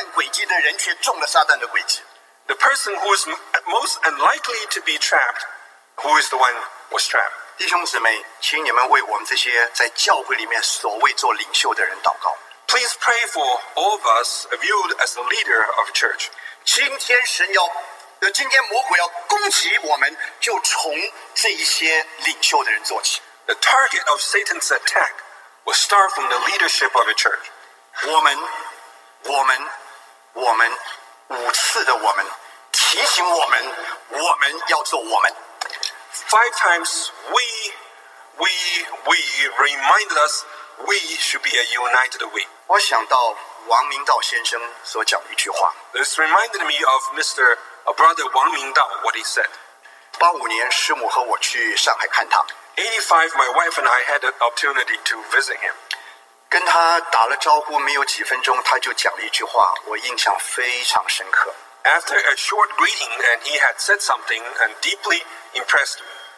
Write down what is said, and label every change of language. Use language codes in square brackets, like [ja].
[zh] 在人看为绝不可能中撒旦诡计的人却中了撒旦的诡计。 [en] The person who is most unlikely to be trapped, who is the one who was trapped? [zh] 弟兄姊妹, 请你们为我们这些在教会里面所谓做领袖的人祷告。 [en] Please pray for all of us viewed as the leader of church. [zh] 今天魔鬼要攻击我们，就从这一些领袖的人做起。 [en] The target of Satan's attack will start from the leadership of the church. [zh] 我们五次的我们提醒我们，我们要做我们。 [en] Five times we reminded us we should be a united we. [zh] 我想到王明道先生所讲的一句话。 [en] This reminded me of Mr. A brother Wang Mingdao, what he said. [zh] 85年, 师母和我去上海看他。 [en] 85, my wife and I had an opportunity to visit him. [zh] 跟他打了招呼没有几分钟,他就讲了一句话,我印象非常深刻。 [en] After a short greeting, and he had said something and deeply impressed me.